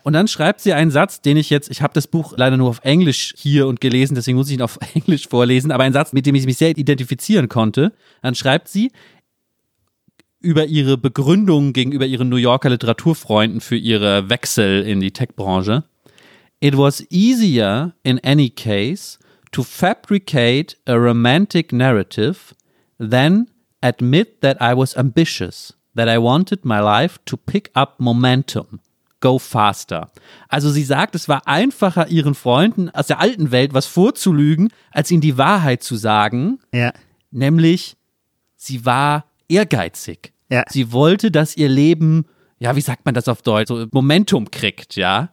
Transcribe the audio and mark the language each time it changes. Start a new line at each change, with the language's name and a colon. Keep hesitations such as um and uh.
German: Und dann schreibt sie einen Satz, den ich jetzt, ich habe das Buch leider nur auf Englisch hier und gelesen, deswegen muss ich ihn auf Englisch vorlesen, aber einen Satz, mit dem ich mich sehr identifizieren konnte. Dann schreibt sie, über ihre Begründung gegenüber ihren New Yorker Literaturfreunden für ihre Wechsel in die Tech-Branche.
English: It was easier in any case to fabricate a romantic narrative than admit that I was ambitious, that I wanted my life to pick up momentum. Go faster.
German: Also sie sagt, es war einfacher, ihren Freunden aus der alten Welt was vorzulügen, als ihnen die Wahrheit zu sagen Ja. nämlich sie war ehrgeizig. Ja. Sie wollte, dass ihr Leben, ja, wie sagt man das auf Deutsch, so Momentum kriegt, ja?